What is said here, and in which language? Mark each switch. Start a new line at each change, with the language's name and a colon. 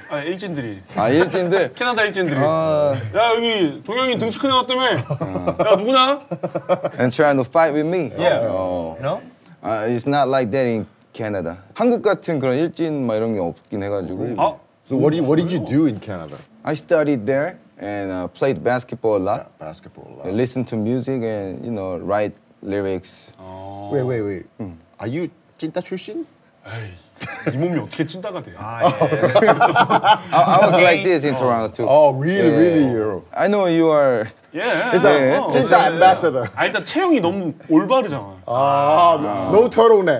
Korean: 아 일진들이. 아 일진들. 캐나다 일진들이. 야 여기 동양인 등치 큰 애 왔다며. 야 누구냐?
English: And trying to fight with me. Yeah. Oh. No. It's not like that in Canada.
Korean: 한국 같은 그런 일진 막 이런 게 없긴 해가지고. 아.
English: So what did you do in Canada? I studied there and played basketball a lot. Yeah, basketball a lot. Listen to music and you know write lyrics. Oh. Wait. Are you
Korean: 찐따 출신? 에이, 이 몸이 어떻게 찐따가 돼? 아, 예.
English: I was like this in Toronto too. Oh, really, yeah. Really, you. I know you are. Yeah. It's like 찐따 ambassador.
Korean: 아, 일단 체형이 너무 올바르잖아.
English: 아, no turtleneck.